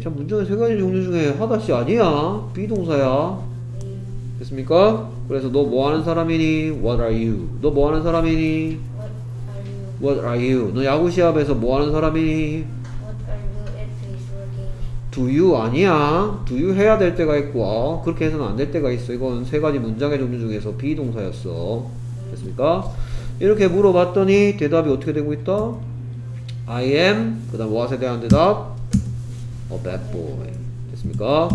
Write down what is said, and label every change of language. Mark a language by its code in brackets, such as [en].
[ko] 자, 문장의 세 가지 종류 중에 하다시 아니야. 비동사야. 됐습니까? 그래서 너 뭐 하는 사람이니? [en] What are you? [ko] 너 뭐 하는 사람이니? [en] What are you? What are you? [ko] 너 야구 시합에서 뭐 하는 사람이니? [en] What are you at baseball game? Do do you [ko] 아니야. [en] do you [ko] 해야 될 때가 있고 그렇게 해서는 안 될 때가 있어. 이건 세 가지 문장의 종류 중에서 be 동사였어. 됐습니까? 이렇게 물어봤더니 대답이 어떻게 되고 있다? [en] I am, [ko] 그 다음 what에 대한 대답? [en] a bad boy. [ko] 됐습니까?